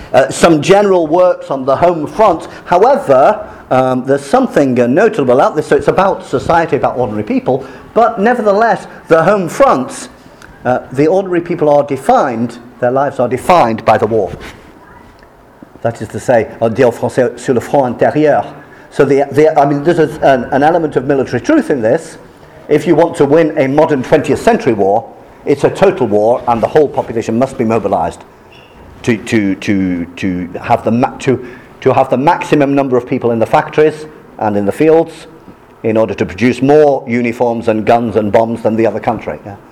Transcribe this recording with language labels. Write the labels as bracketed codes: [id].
[en] Some general works on the home front. However, there's something notable about this. So it's about society, about ordinary people. But nevertheless, the home front, the ordinary people are defined, their lives are defined by the war. That is to say, [fr] on dit en français, sur le front intérieur. [en] So there's an element of military truth in this. If you want to win a modern 20th century war, it's a total war, and the whole population must be mobilized to have the maximum number of people in the factories and in the fields in order to produce more uniforms and guns and bombs than the other country. Yeah.